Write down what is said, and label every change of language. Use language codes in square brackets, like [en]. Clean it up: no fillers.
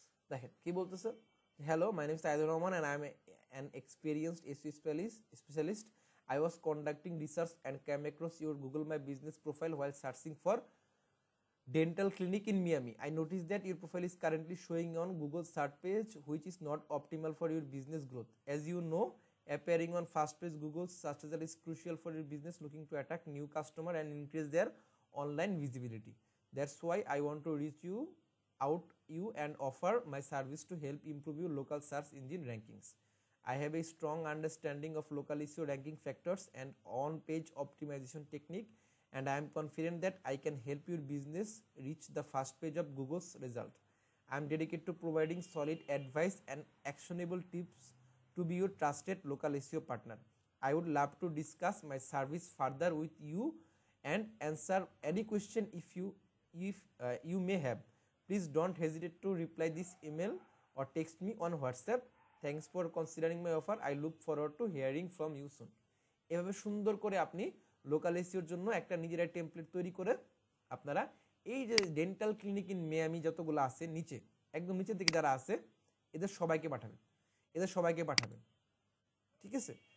[bn] দেখেন কি বলতেছে, [en] Hello my name is Aidur Rahman and I am an experienced SEO specialist. I was conducting research and came across your Google My Business profile while searching for dental clinic in Miami. I noticed that your profile is currently showing on Google search page, which is not optimal for your business growth. As you know, appearing on first page Google search result is crucial for your business looking to attract new customer and increase their online visibility. That's why I want to reach you out you and offer my service to help improve your local search engine rankings. I have a strong understanding of local SEO ranking factors and on-page optimization technique, and I am confident that I can help your business reach the first page of Google's result. I am dedicated to providing solid advice and actionable tips to be your trusted local SEO partner. I would love to discuss my service further with you and answer any question if you may have. Please don't hesitate to reply this email or text me on WhatsApp. Thanks for considering my offer, I look forward to hearing from you soon. [bn] এভাবে সুন্দর করে আপনি local এসিওর জন্য একটা নিজেরাই template তৈরি করে আপনারা এই যে ডেন্টাল ক্লিনিক ইন মিয়ামি যতগুলো আছে নিচে একদম নিচের দিকে যারা আছে এদের সবাইকে পাঠাবেন, এদের সবাইকে পাঠাবেন, ঠিক আছে।